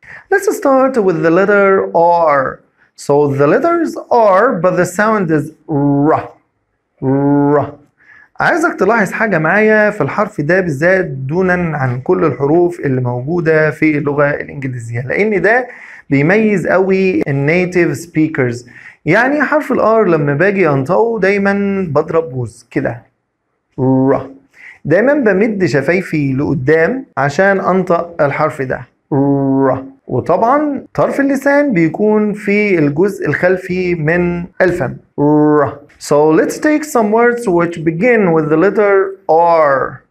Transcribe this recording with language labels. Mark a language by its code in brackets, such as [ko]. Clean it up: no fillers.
[en] Let's start with the letter R. So the letter is R, but the sound is R. R. [ar] عايزك تلاحظ حاجة معايا في الحرف ده بالذات دونا عن كل الحروف اللي موجودة في اللغة الإنجليزية، لأن ده بيميز قوي النيتيف سبيكرز. يعني حرف الR لما باجي أنطقه دايما بضرب بوز كده R. دايما بمد شفايفي لقدام عشان أنطق الحرف ده R. وطبعا طرف اللسان بيكون في الجزء الخلفي من الفم. [en] R. So let's take some words which begin with the letter R.